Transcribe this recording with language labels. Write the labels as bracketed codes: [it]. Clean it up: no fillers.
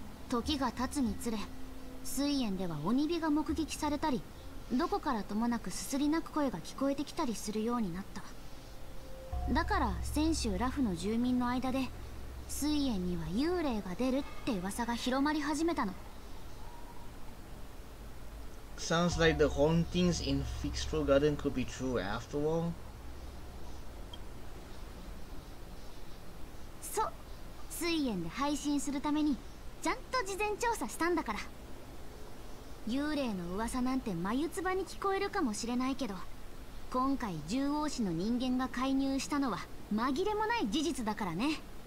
[ja] 時が経つにつれ水苑では鬼火が目撃されたり、どこからともなくすすり泣く声が聞こえてきたりするようになった。だから泉州ラフの住民の間で水苑には幽霊が出るって噂が広まり始めたの。 [en] Sounds like the hauntings in Fixstroll Garden could be true after all. [ja] そう、水苑で配信するためにちゃんと事前調査したんだから。幽霊の噂なんて眉唾に聞こえるかもしれないけど、今回獣王氏の人間が介入したのは紛れもない事実だからね。